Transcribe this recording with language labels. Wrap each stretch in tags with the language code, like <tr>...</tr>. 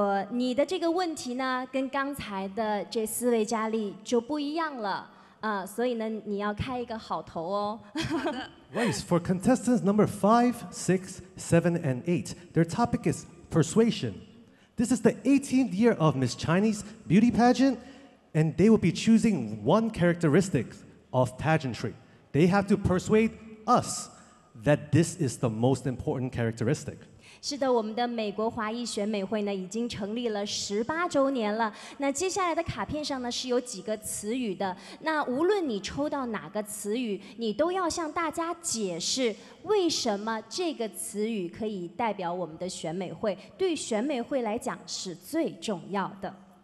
<zh>你的这个问题呢，跟刚才的这四位佳丽就不一样了。所以呢，你要开一个好头哦。好的。</zh> <en>Right, for contestants number 5, 6, 7, and 8, their topic is persuasion. This is the 18th year of Miss Chinese Beauty Pageant, and they will be choosing one characteristic of pageantry. They have to persuade us that this is the most important characteristic.</en> <zh>是的，我们的美国华裔选美会呢已经成立了18周年了。那接下来的卡片上呢是有几个词语的。那无论你抽到哪个词语，你都要向大家解释为什么这个词语可以代表我们的选美会，对选美会来讲是最重要的。</zh>